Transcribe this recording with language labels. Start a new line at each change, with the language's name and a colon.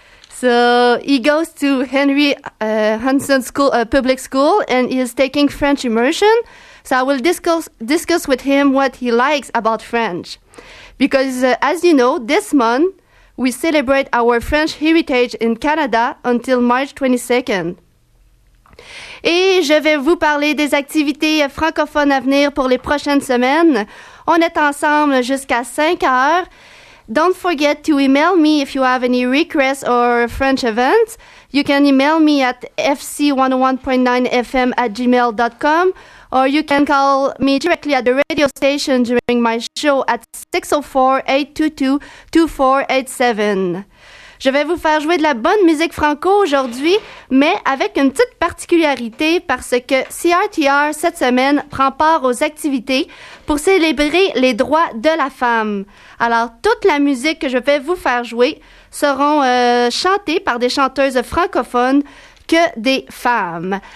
English: So he goes to Henry Hansen School, Public School, and he is taking French immersion. So I will discuss with him what he likes about French. Because as you know, this month, we celebrate our French heritage in Canada until March 22nd.
French: Et je vais vous parler des activités francophones à venir pour les prochaines semaines. On est ensemble jusqu'à 5 heures.
English: Don't forget to email me if you have any requests or French events. You can email me at fc101.9fm@gmail.com or you can call me directly at the radio station during my show at 604-822-2487.
French: Je vais vous faire jouer de la bonne musique franco aujourd'hui, mais avec une petite particularité parce que CRTR, cette semaine, prend part aux activités pour célébrer les droits de la femme. Alors, toute la musique que je vais vous faire jouer seront chantées par des chanteuses francophones que des femmes.